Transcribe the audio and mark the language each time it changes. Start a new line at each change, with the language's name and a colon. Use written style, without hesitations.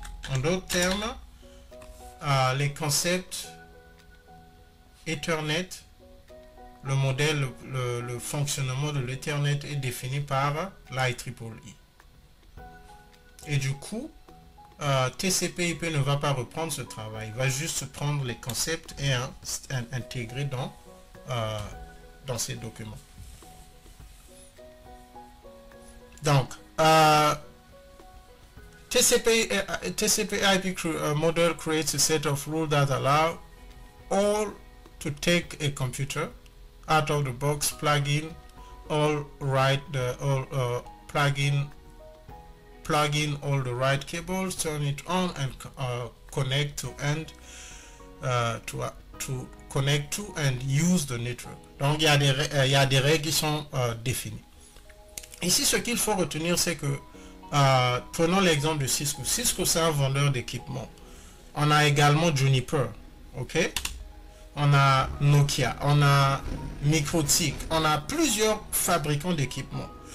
French: En d'autres termes, les concepts Ethernet, le modèle, le fonctionnement de l'Ethernet est défini par l'IEEE. Et du coup, TCP/IP ne va pas reprendre ce travail, il va juste prendre les concepts et intégrer dans ces documents.
English: Donc, TCP/IP model creates a set of rules that allow all to take a computer out of the box, plug in all the right cables, turn it on, and connect to and use the network.
French: Donc, il y a des règles qui sont définies. Ici, ce qu'il faut retenir, c'est que prenons l'exemple de Cisco. Cisco, c'est un vendeur d'équipement. On a également Juniper, ok? On a Nokia, on a Microtik, on a plusieurs fabricants d'équipements.